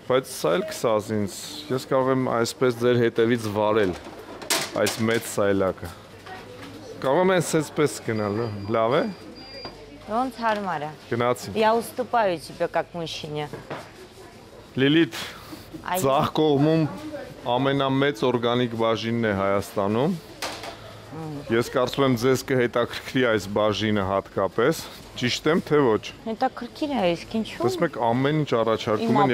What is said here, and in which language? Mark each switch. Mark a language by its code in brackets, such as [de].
[hy] Բայց Սայլ կսազի ինձ, ես կարող եմ այսպես ձեր հետևից վարել այս մեծ Սայլակը։ Կարող եմ այսպես գնալ, լավ է։ Ոնց հարմար է։ Գնացինք։ [ru] Я уступаю тебе как мужчине։ [hy] Լիլիթ, ձախ կողմում ամենամեծ օրգանիկ բաժինն է Հայաստանում։ Ես կարծում եմ, ձեզ կհետաքրքրի այս բաժինը հատկապես, ճիշտ եմ, թե ոչ։ Հետաքրքիր է, իսկ ինչու՞։ Տեսնում եք, ամեն ինչ առաջարկում են